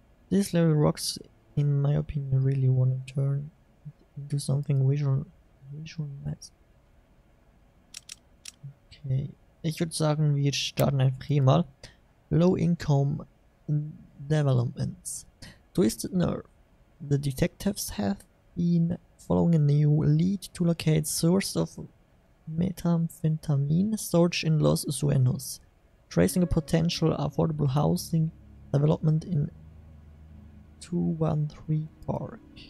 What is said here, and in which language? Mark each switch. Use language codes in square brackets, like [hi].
[en] This level rocks, in my opinion, really wanna turn into something visual nice. Okay. [de] Ich würde sagen, wir starten einfach hier mal. [en] Low Income Developments. Twisted Nerve. The detectives have been following a new lead to locate source of methamphetamine storage in Los Suenos. Tracing a potential affordable housing development in 213 Park.